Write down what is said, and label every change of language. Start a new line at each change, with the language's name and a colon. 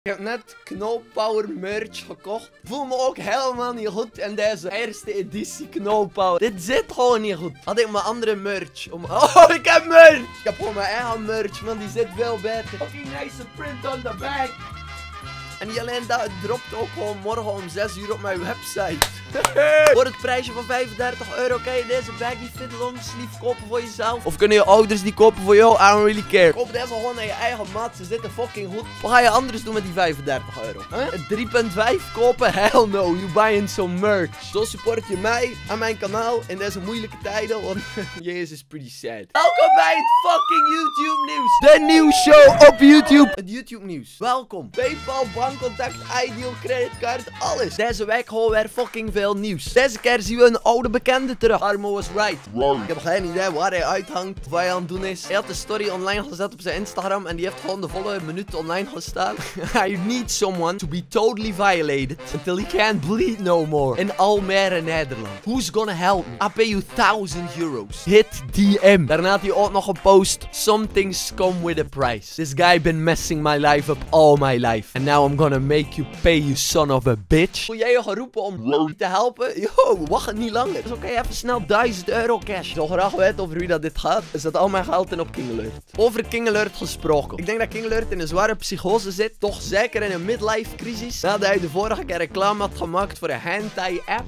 Dutch: Ik heb net Knolpower merch gekocht. Voel me ook helemaal niet goed in deze eerste editie Knolpower. Dit zit gewoon niet goed. Had ik mijn andere merch om... Oh, ik heb merch! Ik heb gewoon mijn eigen merch, man. Die zit veel beter.
English: Fucking nice print on the back.
Dutch: En niet alleen dat, het dropt ook gewoon morgen om 6 uur op mijn website. Voor het prijsje van 35 euro kan je deze baggy fit long sleeve kopen voor jezelf. Of kunnen je ouders die kopen voor jou?
English: I don't really care.
Dutch: Koop deze gewoon aan je eigen maat, ze zitten fucking goed. Wat ga je anders doen met die 35 euro? Huh? 3.5 kopen?
English: Hell no, you buying some merch.
Dutch: Zo support je mij en mijn kanaal in deze moeilijke tijden, want Jezus,
English: pretty sad.
Dutch: Welkom bij het fucking YouTube nieuws. De nieuwe show op YouTube. Het YouTube nieuws. Welkom. PayPal, bankcontact, Ideal, creditcard, alles. Deze week gewoon weer fucking veel nieuws. Deze keer zien we een oude bekende terug.
English: Armo was right. Wrong.
Dutch: Ik heb geen idee waar hij uithangt, wat hij aan het doen is. Hij had de story online gezet op zijn Instagram en die heeft gewoon de volle minuut online gestaan.
English: I need someone to be totally violated until he can't bleed no more. In Almere, Nederland. Who's gonna help me? I pay you 1000 euros. Hit DM.
Dutch: Daarna had hij ook nog gepost.
English: Some things come with a price. This guy been messing my life up all my life. And now I'm gonna make you pay, you son of a bitch.
Dutch: Voel jij je geroepen om...
English: Wrong.
Dutch: Te helpen? Yo, wacht niet langer. Dus oké, even snel 1000 euro cash. Ik zou graag weten over wie dat dit gaat. Is dat al mijn geld in op King Alert? Over King Alert gesproken. Ik denk dat King Alert in een zware psychose zit. Toch zeker in een midlife crisis. Nadat hij de vorige keer reclame had gemaakt voor een hentai app.